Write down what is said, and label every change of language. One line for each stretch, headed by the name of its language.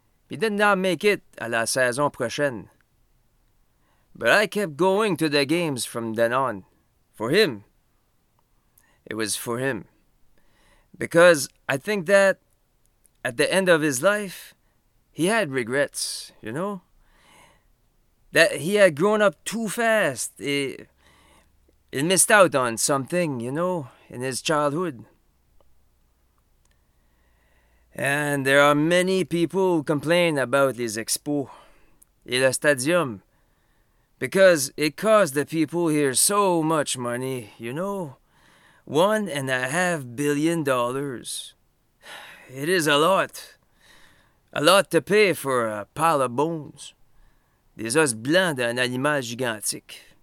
English: He did not make it
French: à la saison prochaine.
English: But I kept going to the games from then on. For him. It was for him. Because I think that at the end of his life, he had regrets, you know? That he had grown up too fast. He missed out on something, you know, in his childhood. And there are many people who complain about his expo, Il Stadium, because it cost the people here so much money, you know? $1.5 billion. It is a lot. A lot to pay for a pile of bones.
French: Des os blancs d'un animal gigantique.